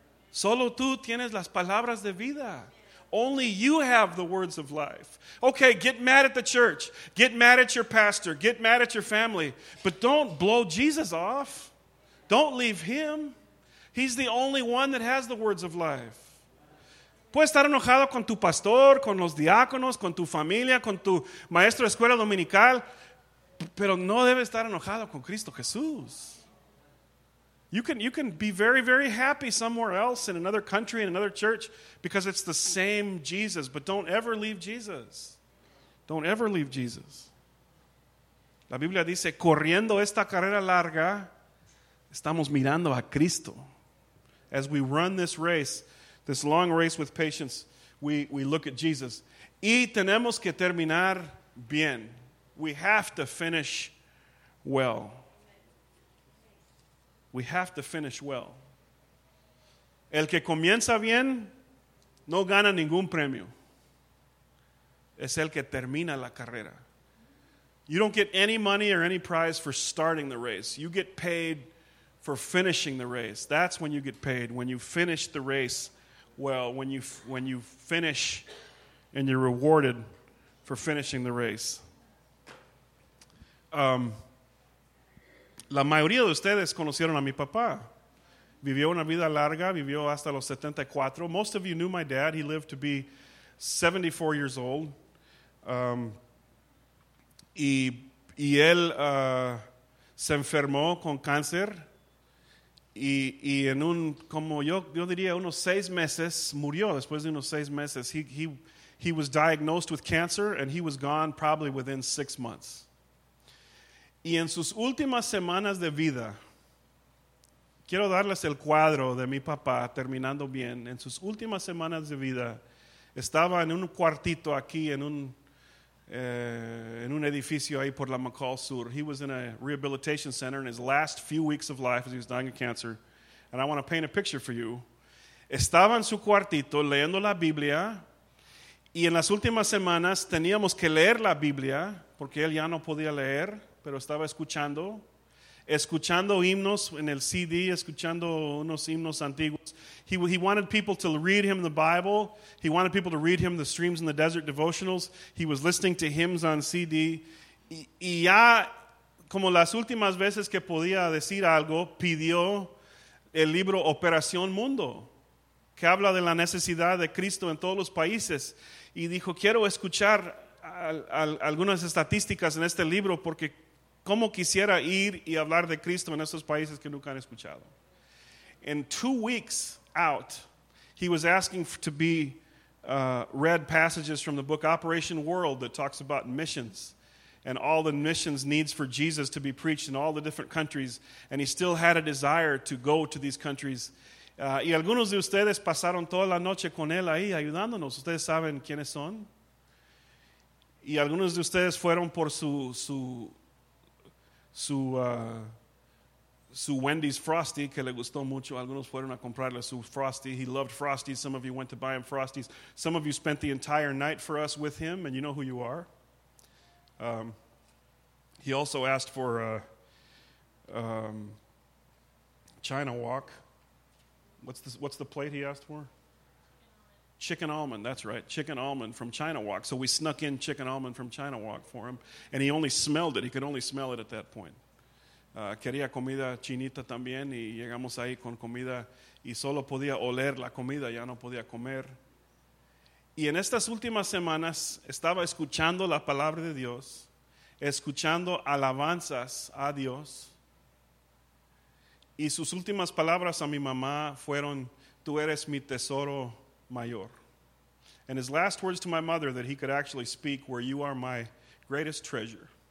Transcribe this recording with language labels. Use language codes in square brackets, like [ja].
[es] Solo tú tienes las palabras de vida. [en] Only you have the words of life. Okay, get mad at the church. Get mad at your pastor. Get mad at your family. But don't blow Jesus off. Don't leave him. He's the only one that has the words of life. [es] Puedes estar enojado con tu pastor, con los diáconos, con tu familia, con tu maestro de escuela dominical, pero no debes estar enojado con Cristo Jesús. [en] You can be very, very happy somewhere else in another country, in another church, because it's the same Jesus. But don't ever leave Jesus. Don't ever leave Jesus. [es] La Biblia dice, corriendo esta carrera larga, estamos mirando a Cristo. [en] As we run this race, this long race with patience, we look at Jesus. [es] Y tenemos que terminar bien. [en] We have to finish well. We have to finish well. [es] El que comienza bien no gana ningún premio. Es el que termina la carrera. [en] You don't get any money or any prize for starting the race. You get paid for finishing the race. That's when you get paid, when you finish the race well, when you finish and you're rewarded for finishing the race. [es] La mayoría de ustedes conocieron a mi papá. Vivió una vida larga, vivió hasta los 74. [en] Most of you knew my dad. He lived to be 74 years old. [es] Y él se enfermó con cáncer. Y en un, como yo diría, unos 6 meses, murió después de unos 6 meses. He, he, [en] he was diagnosed with cancer, and he was gone probably within 6 months. [es] Y en sus últimas semanas de vida, quiero darles el cuadro de mi papá terminando bien. En sus últimas semanas de vida, estaba en un cuartito aquí en un edificio ahí por la McCall Sur. [en] He was in a rehabilitation center in his last few weeks of life as he was dying of cancer. And I want to paint a picture for you. [es] Estaba en su cuartito leyendo la Biblia. Y en las últimas semanas teníamos que leer la Biblia porque él ya no podía leer, pero estaba escuchando. Escuchando himnos en el CD, escuchando unos himnos antiguos. [en] He wanted people to read him the Bible. He wanted people to read him the Streams in the Desert devotionals. He was listening to hymns on CD. [es] Y ya, como las últimas veces que podía decir algo, pidió el libro Operación Mundo, que habla de la necesidad de Cristo en todos los países. Y dijo, quiero escuchar algunas estadísticas en este libro porque cómo quisiera ir y hablar de Cristo en esos países que nunca han escuchado. [en] In 2 weeks out, he was asking to be read passages from the book Operation World that talks about missions and all the missions needs for Jesus to be preached in all the different countries. And he still had a desire to go to these countries. [es] Y algunos de ustedes pasaron toda la noche con él ahí ayudándonos. Ustedes saben quiénes son. Y algunos de ustedes fueron por su Wendy's Frosty, que le gustó mucho. Algunos fueron a comprarle su Frosty. [en] He loved Frosties. Some of you went to buy him Frosties. Some of you spent the entire night for us with him, and you know who you are. He also asked for China Wok. What's the plate he asked for? Chicken almond, that's right. Chicken almond from China Wok. So we snuck in chicken almond from China Wok for him. And he only smelled it. He could only smell it at that point. [es] Quería comida chinita también. Y llegamos ahí con comida. Y solo podía oler la comida. Ya no podía comer. Y en estas últimas semanas, estaba escuchando la palabra de Dios. Escuchando alabanzas a Dios. Y sus últimas palabras a mi mamá fueron, tú eres mi tesoro mayor. [en] And his last words to my mother that he could actually speak were, you are my greatest treasure.